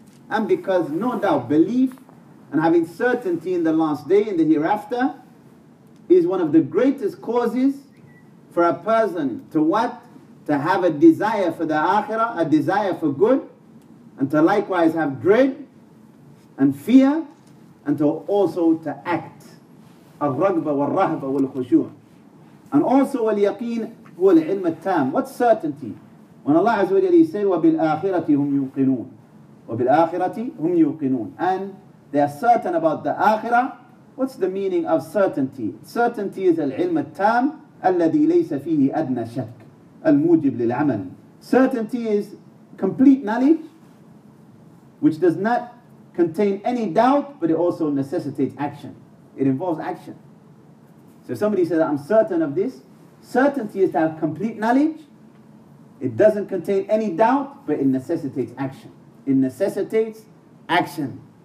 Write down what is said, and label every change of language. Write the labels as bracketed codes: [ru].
[en] And because no doubt belief and having certainty in the last day, in the hereafter, is one of the greatest causes for a person to what? To have a desire for the akhirah, a desire for good, and to likewise have dread and fear, and to also to act. [ar] الرَّغْبَةِ وَالرَّهْبَةِ وَالْخُشُوعِ. [en] And also [ar] وَالْيَقِينَ هو العلم التام. [en] What's certainty? When Allah Azza wa Jalla said, [ar] وَبِالْآخِرَةِ هُمْ يُوقِنُونَ. وَبِالْآخِرَةِ هُمْ يُوقِنُونَ. [en] And they are certain about the akhirah. What's the meaning of certainty? Certainty is [ar] العلم التام الذي ليس فيه أدنى شك الموجب للعمل. [en] Certainty is complete knowledge which does not contain any doubt, but it also necessitates action. It involves action. So if somebody says, I'm certain of this, certainty is to have complete knowledge. It doesn't contain any doubt, but it necessitates action. It necessitates action.